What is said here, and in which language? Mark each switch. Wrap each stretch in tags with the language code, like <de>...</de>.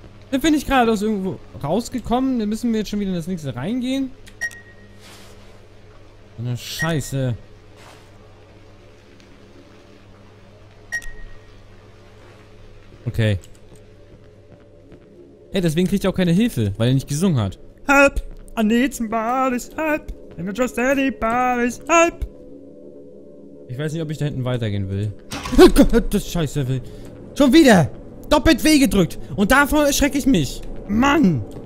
<de>Dann bin ich gerade aus irgendwo rausgekommen. Dann müssen wir jetzt schon wieder in das nächste reingehen. Eine Scheiße. Okay. Hey, deswegen kriegt er auch keine Hilfe, weil er nicht gesungen hat.</de> <en>Help! I need somebody's help! I'm not just anybody's help!</en> <de>Ich weiß nicht, ob ich da hinten weitergehen will. Das Scheiße will. Schon wieder! Doppelt W gedrückt! Und davor erschrecke ich mich! Mann!</de>